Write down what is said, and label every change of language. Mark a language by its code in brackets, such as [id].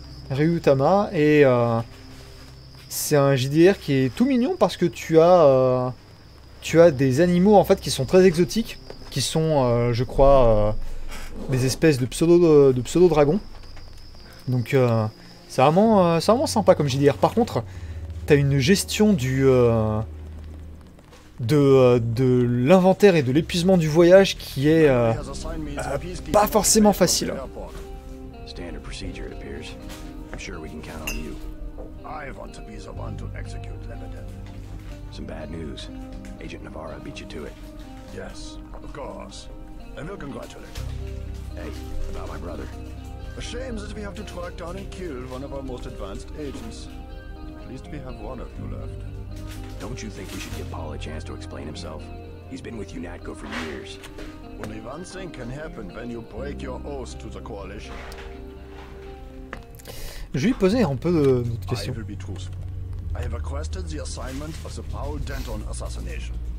[fr] Ryutama, et c'est un JDR qui est tout mignon parce que tu as des animaux en fait qui sont très exotiques, qui sont, je crois, des espèces de pseudo-dragons. Donc... C'est vraiment sympa comme JDR. Par contre, t'as une gestion de l'inventaire et de l'épuisement du voyage qui est pas forcément facile. [en] Standard procedure, it appears. I'm sure we can count on you. I want to be the one to execute Lebedev. Some bad news. Agent Navarra beat you to it. Yes, of course. And we'll congratulate her. Hey, about my brother. A shame that we have to track down and kill one of our most advanced agents. At least we have one of you left. Don't you think we should give Paul a chance to explain himself? He's been with UNATCO for years. Only one thing can happen when you break your oath to the coalition. [fr] Je lui posais un peu d'autres questions. [en] I will be truthful. I have requested the assignment of the Paul Denton assassination.